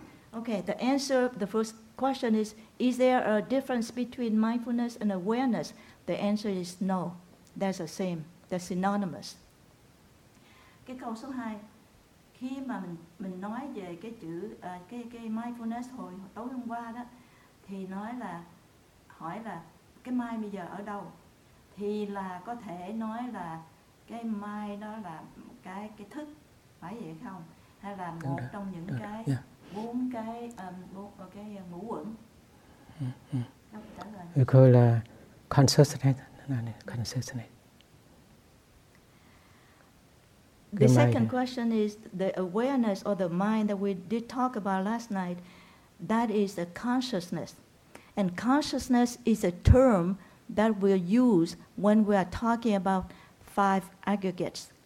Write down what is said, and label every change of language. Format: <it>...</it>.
<en>Okay, the answer, the first question is there a difference between mindfulness and awareness? The answer is no. That's the same. They're synonymous.</en> <vi>Cái câu số 2, khi mà mình nói về cái chữ cái mindfulness hồi tối hôm qua đó, thì nói là hỏi là cái mind bây giờ ở đâu, thì là có thể nói là cái mind đó là cái thức, phải vậy không, hay là một được, trong những được, cái bốn cái ngũ uẩn. Được rồi, là consciousness.</vi> <en>The second question is the awareness or the mind that we did talk about last night, that is the consciousness. And consciousness is a term that we use when we are talking about five aggregates.</en>